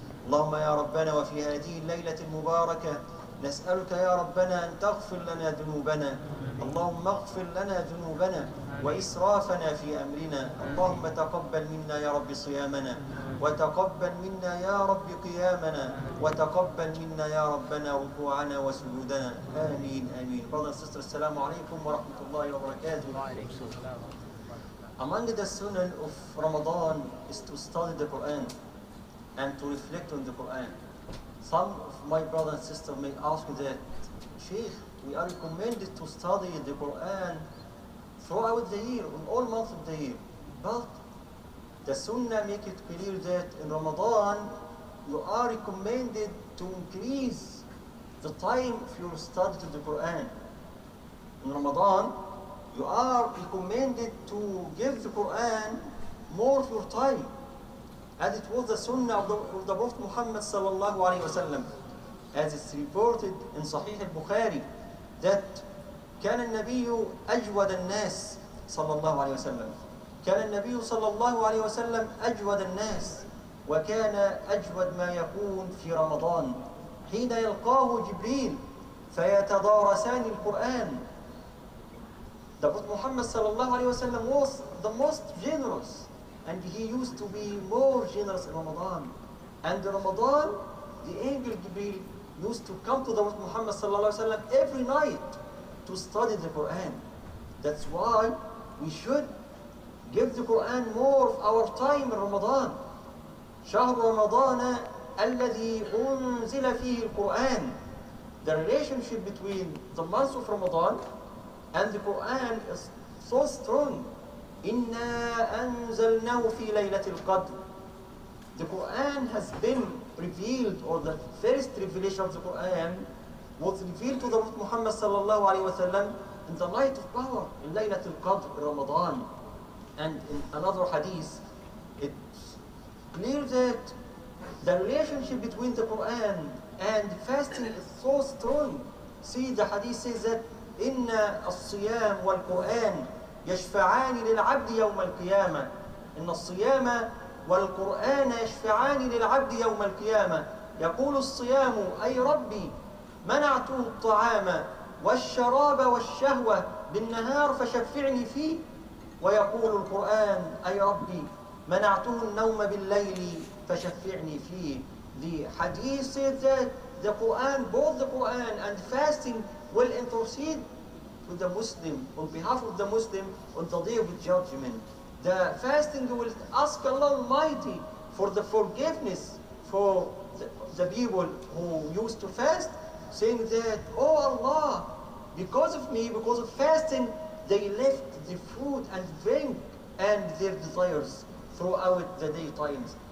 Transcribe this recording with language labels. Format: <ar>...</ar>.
<ar>اللهم يا ربنا وفي هذه الليلة المباركة نسألك يا ربنا أن تغفر لنا ذنوبنا، اللهم اغفر لنا ذنوبنا وإسرافنا في أمرنا. اللهم تقبل منا يا رب صيامنا، وتقبل منا يا رب قيامنا، وتقبل منا يا ربنا ركوعنا وسجودنا. آمين آمين.</ar> <en>Brothers and sisters,</en> <ar>السلام عليكم ورحمة الله وبركاته.</ar> <en>Among the sunan of Ramadan is to study the Quran and to reflect on the Quran. Some of my brothers and sisters may ask that, Sheikh, we are recommended to study the Quran throughout the year, in all months of the year. But the Sunnah make it clear that in Ramadan, you are recommended to increase the time of your study to the Quran. In Ramadan, you are recommended to give the Quran more of your time. As it was the Sunnah of the Prophet Muhammad sallallahu alayhi wa sallam. As it's reported in Sahih al-Bukhari, that</en> <ar>كان النبي أجود الناس صلى الله عليه وسلم. كان النبي صلى الله عليه وسلم أجود الناس، وكان أجود ما يكون في رمضان حين يلقاه جبريل فيتدارسان القرآن.</ar> <en>The Prophet Muhammad صلى الله عليه وسلم was the most generous, and he used to be more generous in Ramadan. And in Ramadan, the angel Jibril used to come to the Prophet Muhammad صلى الله عليه وسلم every night to study the Quran. That's why we should give the Quran more of our time in Ramadan.</en> <ar>شهر رمضان الذي أنزل فيه القرآن.</ar> <en>The relationship between the month of Ramadan and the Quran is so strong.</en> <ar>إنا أنزلناه في ليلة القدر.</ar> <en>The Quran has been revealed, or the first revelation of the Quran was revealed to the Prophet Muhammad صلى الله عليه وسلم in the light of power, in ليلة القدر, Ramadan. And in another hadith, it's clear that the relationship between the Quran and fasting is so strong. See, the hadith says that</en> <ar>إن الصيام والقرآن يشفعان للعبد يوم القيامة. إن الصيام والقرآن يشفعان للعبد يوم القيامة. يقول الصيام أي ربي منعته الطعام والشراب والشهوة بالنهار فشفعني فيه. ويقول القرآن أي ربي منعته النوم بالليل فشفعني فيه.</ar> <en>The hadith says that the Quran, both the Quran and fasting will intercede to the Muslim, on behalf of the Muslim, on the day of judgment. The fasting will ask Allah Almighty for the forgiveness for the people who used to fast, saying that, oh Allah, because of me, because of fasting, they left the food and drink and their desires throughout the day times.</en>